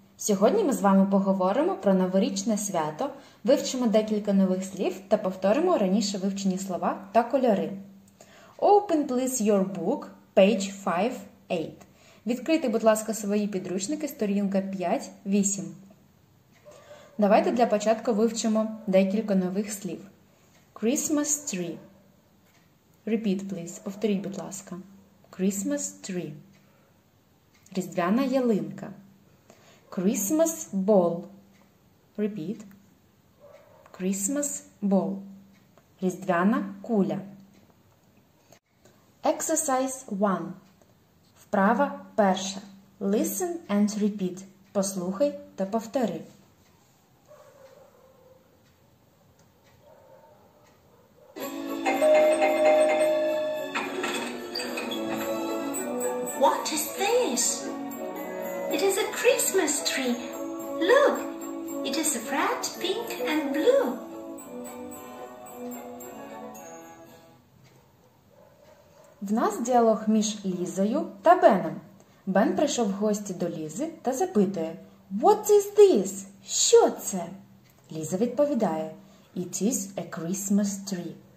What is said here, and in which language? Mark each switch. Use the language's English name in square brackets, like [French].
[Ukrainian] Сьогодні ми з вами поговоримо про новорічне свято, вивчимо декілька нових слів та повторимо раніше вивчені слова та кольори. [English] Open, please, your book, page 5-8. [Ukrainian] Відкрийте, будь ласка, свої підручники, сторінка 5-8. Давайте для початку вивчимо декілька нових слів. [English] Christmas tree. Repeat, please. [Ukrainian] Повторіть, будь ласка. [English] Christmas tree. [Ukrainian] Різдвяна ялинка. [English] Christmas ball. Repeat. Christmas ball. [Ukrainian] Різдвяна куля. [English] Exercise 1. [Ukrainian] Вправа перша. [English] Listen and repeat. [Ukrainian] Послухай та повтори. [English] What is this? It is a Christmas tree. Look, it is red, pink and blue. [Ukrainian] В нас діалог між Лізою та Беном. Бен прийшов в гості до Лізи та запитує: [English] What is this? [Ukrainian] Що це? Ліза відповідає: [English] It is a Christmas tree.